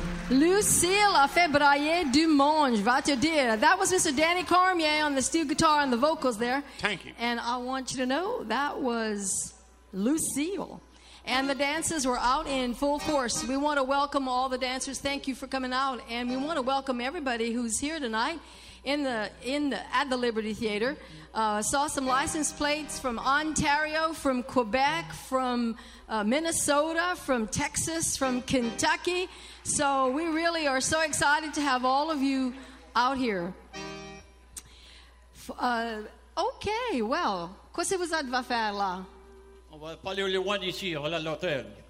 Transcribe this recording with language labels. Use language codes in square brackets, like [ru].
[fr] Lucille a fait brailler du monde, je vais te dire. [en] That was Mr. Danny Cormier on the steel guitar and the vocals there. Thank you. And I want you to know that was Lucille. And the dancers were out in full force. We want to welcome all the dancers. Thank you for coming out. And we want to welcome everybody who's here tonight at the Liberty Theater. Saw some license plates from Ontario, from Quebec, from Minnesota, from Texas, from Kentucky. So we really are so excited to have all of you out here. Okay, well, [fr] qu'est-ce que vous allez faire là? On va pas aller au loin d'ici, on va aller à l'hôtel.